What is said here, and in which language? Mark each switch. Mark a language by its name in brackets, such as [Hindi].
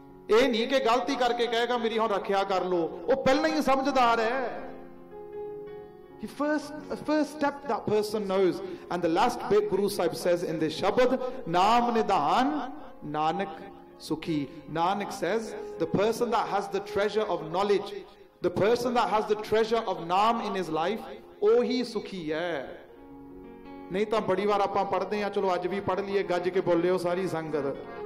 [Punjabi] ਇਹ ਨਹੀਂ ਕਿ ਗਲਤੀ ਕਰਕੇ ਕਹੇਗਾ ਮੇਰੀ ਹੁਣ ਰੱਖਿਆ ਕਰ ਲਓ, ਉਹ ਪਹਿਲਾਂ ਹੀ ਸਮਝਦਾਰ ਹੈ। [English] He first step that person knows, and the last bit Guru Sahib says in this Shabad, [Punjabi] Naam Nidhan Nanak Sukhi. [English] Nanak says, the person that has the treasure of knowledge, the person that has the treasure of Naam in his life, [Punjabi] ਉਹ ਹੀ ਸੁਖੀ ਹੈ। ਨਹੀਂ ਤਾਂ ਬੜੀ ਵਾਰ ਆਪਾਂ ਪੜ੍ਹਦੇ ਹਾਂ, ਚਲੋ ਅੱਜ ਵੀ ਪੜ੍ਹ ਲਈਏ, ਗੱਜ ਕੇ ਬੋਲਿਓ ਸਾਰੀ ਸੰਗਤ।